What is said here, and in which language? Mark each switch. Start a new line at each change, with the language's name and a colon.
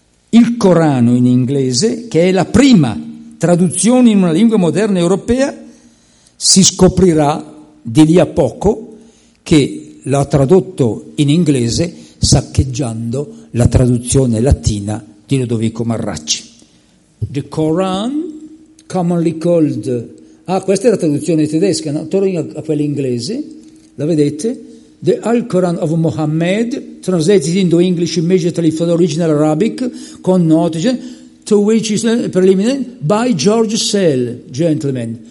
Italian: il Corano in inglese, che è la prima traduzione in una lingua moderna europea, si scoprirà di lì a poco che l'ha tradotto in inglese saccheggiando la traduzione latina di Ludovico Marracci.
English: The Koran, commonly called...
Italian: Ah, questa è la traduzione tedesca, no? Torno a quella inglese, la vedete?
English: The Al-Quran of Muhammad, translated into English immediately for the original Arabic,
Italian: con note,
English: to which is preliminary, by George Sell, gentlemen.